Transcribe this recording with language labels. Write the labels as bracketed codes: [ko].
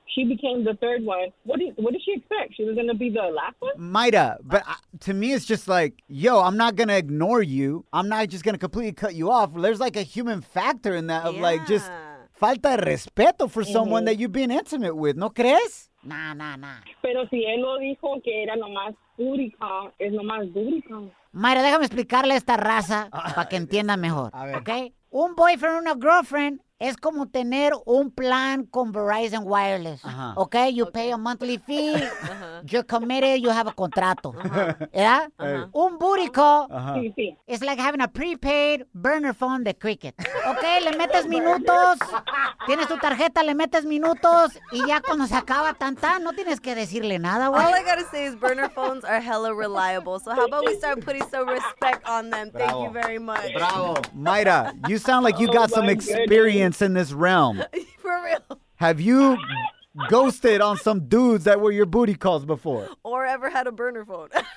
[en] She became the third one. What did she expect? She was going to be the last one? Maida, but to me, it's just like, yo, I'm not going to ignore you. I'm not just going to completely cut you off. There's like a human factor in that of like just [es] falta de respeto [en] for someone that you've been intimate with. [es] ¿No crees? [en] Nah. [es] Pero si él lo dijo que era nomás booty call, es nomás booty call. Maida, déjame explicarle a esta raza para que entienda mejor. A ver. Okay? Un boyfriend, una girlfriend... Es como tener un plan con Verizon Wireless. Uh-huh. [en] Okay? You pay a monthly fee. You're committed. You have a contrato. Uh-huh. Yeah? Uh-huh. [es] Un booty call. Uh-huh. [en] It's like having a prepaid burner phone de Cricket. [es] Okay? Le metes minutos. Tienes tu tarjeta. Le metes minutos. Y ya cuando se acaba tan, no tienes que decirle nada, güey. [en] All I gotta say is burner phones are hella reliable. So how about we start putting some respect on them? Bravo. Thank you very much. Bravo. Mayra, you sound like you got some experience. In this realm. For real. Have you ghosted on some dudes that were your booty calls before. Or ever had a burner phone.